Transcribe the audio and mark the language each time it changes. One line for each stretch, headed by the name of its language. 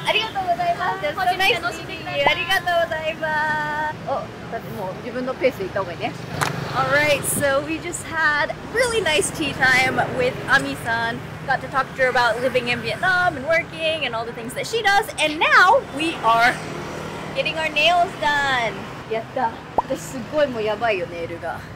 Japanese: ありがとうございます。楽しみに。ありがとうございます。お、もう自分のペースで行った方がいいね。
English: All right, so we just had really nice tea time with Ami-san. Got to talk to her about living in Vietnam and working and all the things that she does. And now we are getting our nails done.
Japanese: やった。私すごいもうやばいよ、ネイルが。